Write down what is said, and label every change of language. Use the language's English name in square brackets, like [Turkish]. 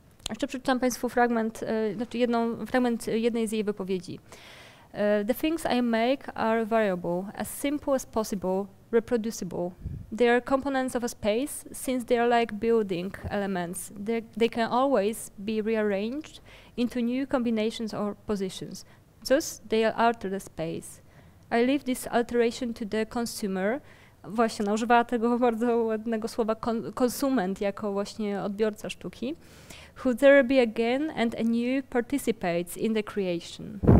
[Polish] Jeszcze przeczytam Państwu fragment, znaczy fragment jednej z jej wypowiedzi. [English] The things I make are variable, as simple as possible. Reproducible. They are components of a space, since they are like building elements. They can always be rearranged into new combinations or positions. Thus, they alter the space. I leave this alteration to the consumer. [Polish] Właśnie, ona używała tego bardzo ładnego słowa konsument jako właśnie odbiorca sztuki. [English] Who there be again and anew participates in the creation.